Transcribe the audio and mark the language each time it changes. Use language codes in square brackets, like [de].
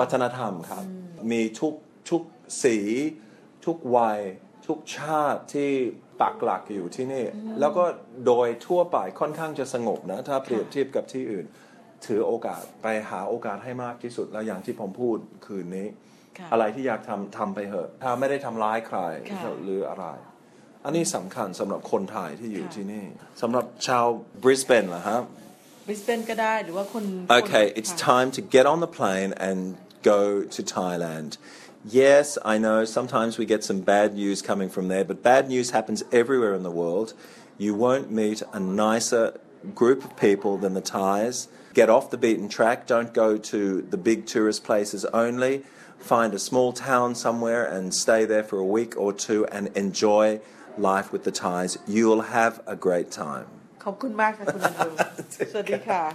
[th] วัฒนธรรมครับมีทุกสีทุกวัยทุกชาติที่ปักหลักอยู่ที่นี่แล้วก็โดยทั่วไปค่อนข้างจะสงบนะถ้าเปรียบเทียบกับที่อื่นถือโอกาสไปหาโอกาสให้มากที่สุดแล้วอย่างที่ผมพูดคืนนี้ อะไรที่อยากทำไปเถอะถ้าไม่ได้ทำร้ายใครหรืออะไรอันนี้สำคัญสำหรับคนไทยที่อยู่ที่นี่สำหรับชาวบริสเบนเหรอครับ บริสเบนก็ได้หรือว่าคน [en] โอเค it's time to get on the plane and go to Thailand yes I know sometimes we get some bad news coming from there but bad news happens everywhere in the world you won't meet a nicer group of people than the ThaisGet off the beaten track. Don't go to the big tourist places only. Find a small town somewhere and stay there for a week or two and enjoy life with the Thais. You'll have a great time. [th] ขอบคุณมากค่ะคุณอันดรูสวัสดีค่ะ